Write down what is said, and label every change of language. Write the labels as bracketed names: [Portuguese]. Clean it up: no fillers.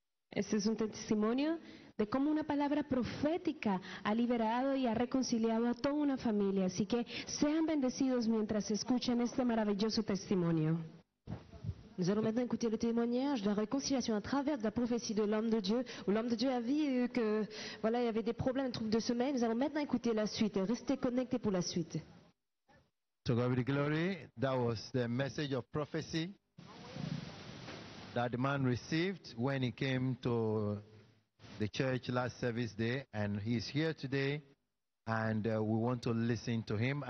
[Spanish] Este es un testimonio de cómo una palabra profética ha liberado y ha reconciliado a toda una familia. Así que sean bendecidos mientras escuchan este maravilloso testimonio. [French] Nous allons maintenant écouter le témoignage de la réconciliation à travers de la prophétie de l'homme de Dieu, où l'homme de Dieu a vu que voilà, il y avait des problèmes, des troubles de sommeil. Nous allons maintenant écouter la suite. Restez connectés pour la suite. [English] To God be the glory. That was the message of prophecy that the man received when he came to the church last service day, and he is here today, and we want to listen to him.